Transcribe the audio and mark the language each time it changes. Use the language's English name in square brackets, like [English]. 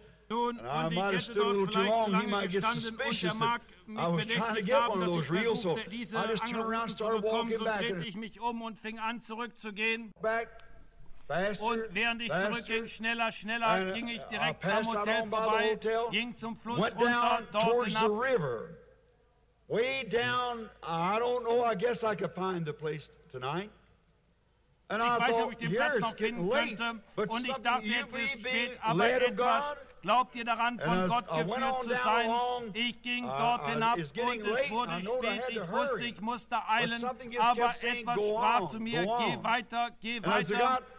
[German] Nun, und ich hätte dort vielleicht zu lange gestanden und der mag mich verdächtigt haben, dass ich versuchte, diese Angelrouten zu bekommen, so drehte ich mich um und fing an zurückzugehen. Und während ich zurückging, schneller, schneller, ging ich direkt am Hotel vorbei, ging zum Fluss runter, dort hinab. [English] Way down, I don't know, I guess I could find the place tonight. [German] And ich weiß, ob ich den Platz noch finden könnte. Und ich dachte, jetzt ist es spät, aber etwas, glaubt ihr daran, von Gott geführt zu sein? Ich ging dort hinab und es wurde spät. Ich wusste, ich musste eilen, aber etwas sprach zu mir, geh weiter, geh weiter.